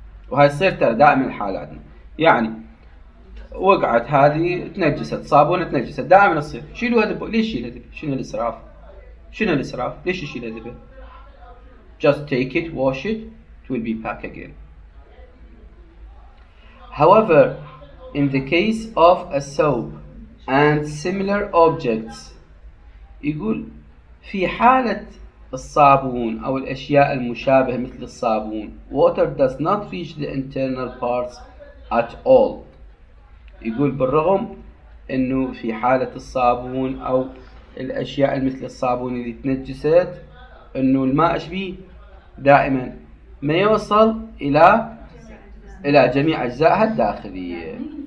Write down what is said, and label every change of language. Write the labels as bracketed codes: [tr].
[ar] وهي صير ترى دائما الحالة عندنا يعني وقعت هذه تنجست صابونة تنجست دائما تصير شيلوا هذا ليش شيل هذا شنو الإسراف شنو الإسراف ليش شيل هذا [en] just take it wash it it will be packed again. However in the case of a soap and similar objects [ar] يقول في حالة الصابون أو الأشياء المشابهة مثل الصابون [en] water does not reach the internal parts at all. [ar] يقول بالرغم إنه في حالة الصابون أو الأشياء مثل الصابون اللي تنجست إنه الماء شبي دائما ما يوصل إلى جميع أجزائها الداخلية.